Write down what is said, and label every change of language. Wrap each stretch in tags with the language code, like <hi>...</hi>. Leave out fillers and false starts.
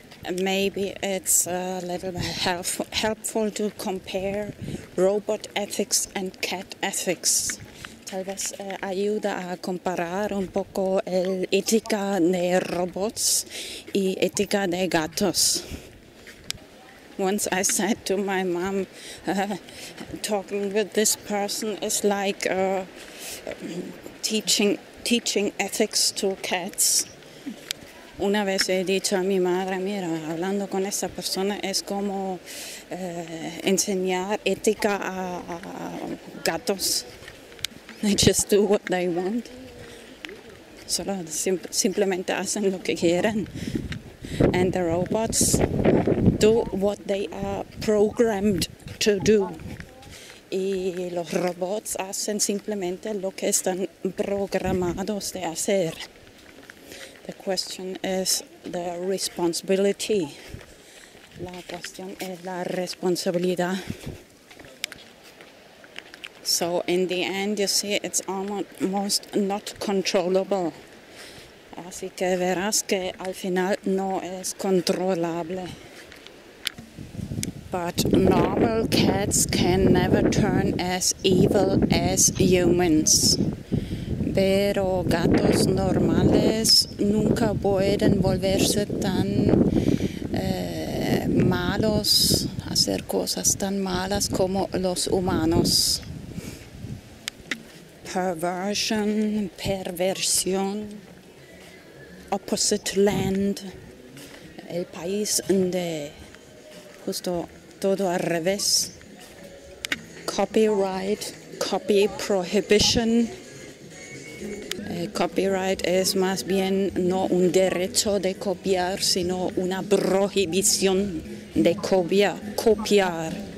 <en>maybe it's a little bit helpful to compare robot ethics and cat ethics.</en> <es>Tal vez ayuda a comparar un poco el ética de robots y ética de gatos.</es> <en>Once I said to my mom, talking with this person is like teaching ethics to cats.</en> <es>Una vez he dicho a mi madre, mira, hablando con esa persona es como enseñar ética a gatos.</es> <en>They just do what they want.</en> <es>Solo simplemente hacen lo que quieren.</es> <en>And the robots do what they are programmed to do.</en> <es>Y los robots hacen simplemente lo que están programados de hacer.</es> <en>The question is the responsibility.</en> <es>La cuestión es la responsabilidad.</es> <en>So in the end, you see, it's almost not controllable.</en> <es>Así que verás que al final no es controlable.</es> <en>But normal cats can never turn as evil as humans.</en> <es>Pero gatos normales nunca pueden volverse tan malos, hacer cosas tan malas como los humanos. Perversion, perversión,</es> <en>opposite land,</en> <es>el país de justo todo al revés, copyright,</es> <en>copy prohibition,</en> <es>copyright es más bien no un derecho de copiar, sino una prohibición de copiar.</es>